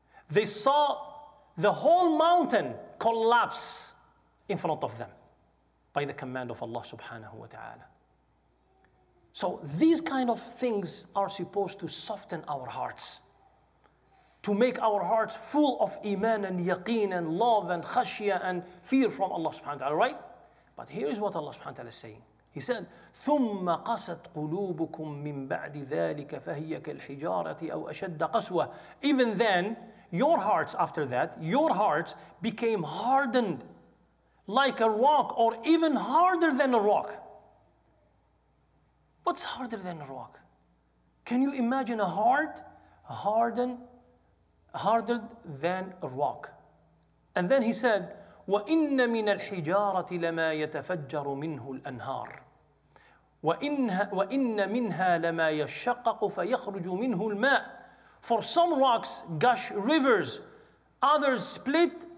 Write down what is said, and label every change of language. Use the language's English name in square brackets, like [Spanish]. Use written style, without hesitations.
[English] They saw the whole mountain collapse in front of them by the command of Allah subhanahu wa ta'ala. So these kind of things are supposed to soften our hearts, to make our hearts full of iman and yaqeen and love and khashya and fear from Allah subhanahu wa ta'ala, right? But here is what Allah subhanahu wa ta'ala is saying. [Arabic] He said, ثُمَّ قَسَتْ قُلُوبُكُمْ مِنْ بَعْدِ ذَٰلِكَ فَهِيَ كَالْحِجَارَةِ أَوْ أَشَدَّ قَسْوَةِ. [English] Even then, your hearts after that, your hearts became hardened like a rock or even harder than a rock. What's harder than a rock? Can you imagine a heart harder than a rock? [Arabic] And then he said, وَإِنَّ مِنَ الْحِجَارَةِ لَمَا يَتَفَجَّرُ مِنْهُ الْأَنْهَارِ وَإِنَّ مِنْهَا لَمَا يَشَّقَّقُ فَيَخْرُجُ مِنْهُ الْمَاءِ. [English] For some rocks gush rivers, others split